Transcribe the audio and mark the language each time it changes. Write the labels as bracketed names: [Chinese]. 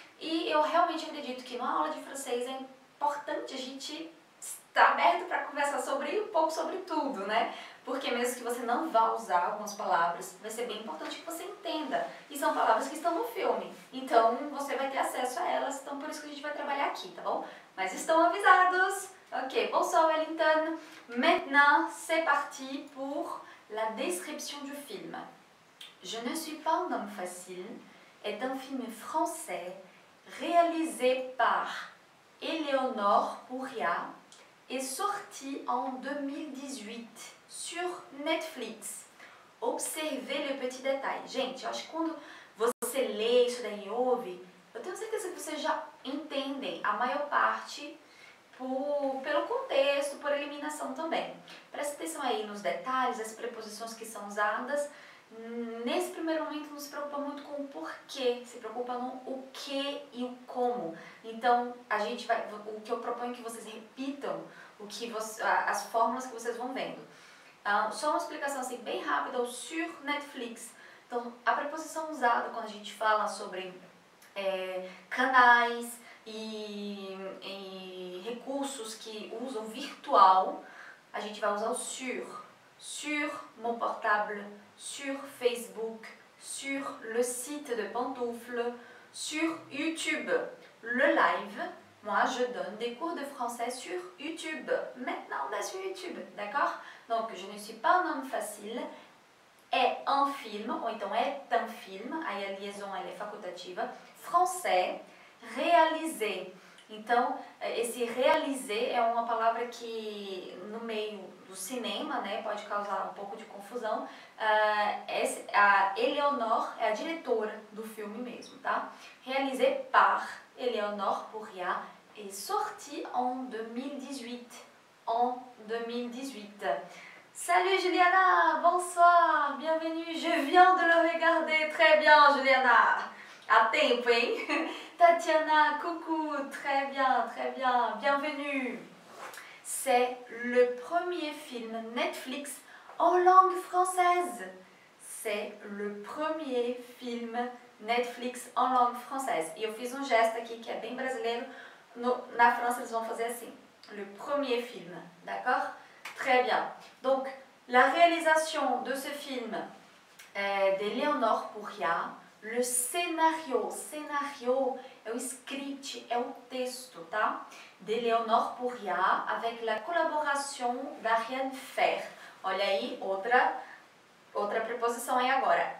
[Portuguese] E eu realmente acredito que numa aula de francês é importante a gente estar aberto para conversar sobre um pouco sobre tudo, né? Porque mesmo que você não vá usar algumas palavras, vai ser bem importante que você entenda. E são palavras que estão no filme. Então, você vai ter acesso a elas. Então, por isso que a gente vai trabalhar aqui, tá bom? Mas estão avisados! Ok, bonsoir, Wellington. [French] Maintenant, c'est parti pour la description du film. Je ne suis pas un homme facile est un film français réalisé par Éléonore Pouria et sorti en 2018. Sur Netflix. Observez le petit détail. [Portuguese] Gente, eu acho que quando você lê isso daí e ouve, eu tenho certeza que vocês já entendem a maior parte pelo contexto, por eliminação também. Presta atenção aí nos detalhes, as preposições que são usadas. Nesse primeiro momento, não se preocupa muito com o porquê, se preocupa no o que e o como. Então, o que eu proponho é que vocês repitam as fórmulas que vocês vão vendo. Só uma explicação assim, bem rápida, o sur Netflix. Então, a preposição usada quando a gente fala sobre canais e recursos que usam virtual, a gente vai usar o sur. [French] Sur mon portable, sur Facebook, sur le site de Pantoufle, sur YouTube, le live. Moi, je donne des cours de français sur YouTube. Maintenant, on est sur YouTube, d'accord? Donc, je ne suis pas un homme facile. Est un film, [Portuguese] ou então [French] est un film. [Portuguese] Aí a [French] liaison, elle est facultative. Français, réalisé. [Portuguese] Então, esse réalisé é uma palavra que, no meio do cinema, né, pode causar um pouco de confusão. A Éléonore é a diretora do filme mesmo, tá? [French] Réalisé par Éléonore Pouria est sorti en 2018. En 2018. Salut Juliana, bonsoir, bienvenue. Je viens de le regarder. Très bien, Juliana. [Portuguese] À tempo, hein? [French] Tatiana, coucou. Très bien, très bien. Bienvenue. C'est le premier film Netflix en langue française. C'est le premier film Netflix en langue française. [Portuguese] E eu fiz um gesto aqui que é bem brasileiro. Na França eles vão fazer assim. [French] Le premier film, d'accord? Très bien. Donc, la réalisation de ce film d'Éléonore Pouria, le scénario, scénario [Portuguese] é o script, é o texto, tá? [French] D'Éléonore Pouria, avec la collaboration d'Ariane Fer. [Portuguese] Olha aí, outra preposição aí agora.